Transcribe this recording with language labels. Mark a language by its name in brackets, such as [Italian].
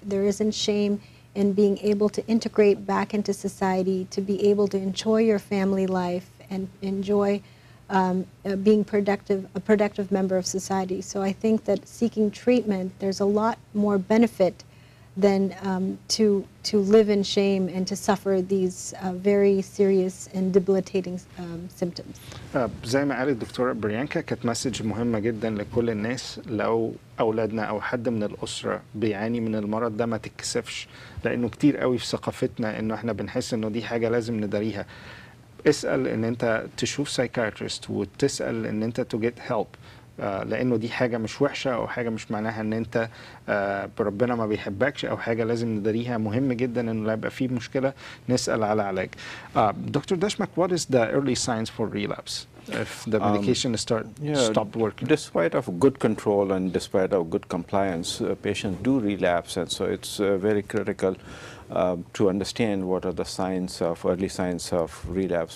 [English] There isn't shame in being able to integrate back into society, to be able to enjoy your family life and enjoy being productive member of society. So I think that seeking treatment, there's a lot more benefit than to live in shame and to suffer these very serious and debilitating symptoms. [Arabic] زي ما قالت الدكتورة بريانكا كانت مسج مهمة جدا لكل الناس لو أولادنا أو حد من الأسرة بيعاني من المرض ده ما تكسفش لأنه كتير قوي في ثقافتنا إنه إحنا بنحس إنه دي حاجة لازم نداريها. اسأل إن أنت تشوف psychiatrist وتسأل إن أنت [English] to get help. [Arabic] لأنه دي حاجة مش وحشة أو حاجة مش معناها أن أنت بربنا ما بيحبكش أو حاجة لازم نداريها. مهم جدا أنه لا يبقى فيه مشكلة نسأل على علاج. [English] Doctor دشمكه, what is the early signs for relapse if the medication stopped working? Despite of good control and despite of good compliance, patients do relapse, and so it's very critical to understand what are the signs of early signs of relapse.